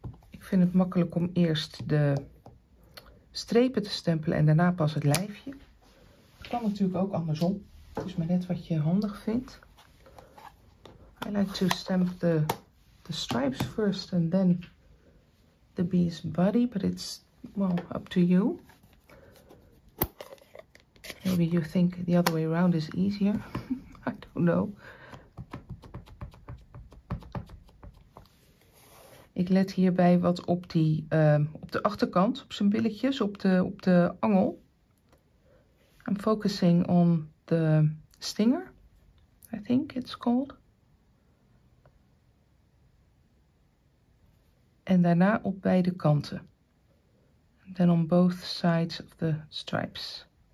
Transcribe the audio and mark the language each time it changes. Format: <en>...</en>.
<nl>Ik vind het makkelijk om eerst de strepen te stempelen en daarna pas het lijfje. Het kan natuurlijk ook andersom. Het is maar net wat je handig vindt.</nl> <en>I like to stamp the stripes first and then the bee's body, but it's, well, up to you. Maybe you think the other way around is easier. I don't know.</en> <nl>Ik let hierbij wat op die op de achterkant, op zijn billetjes, op de angel.</nl> <en>I'm focusing on the stinger, I think it's called.</en> <nl>En daarna op beide kanten.</nl> <en>And then on both sides of the stripes.</en>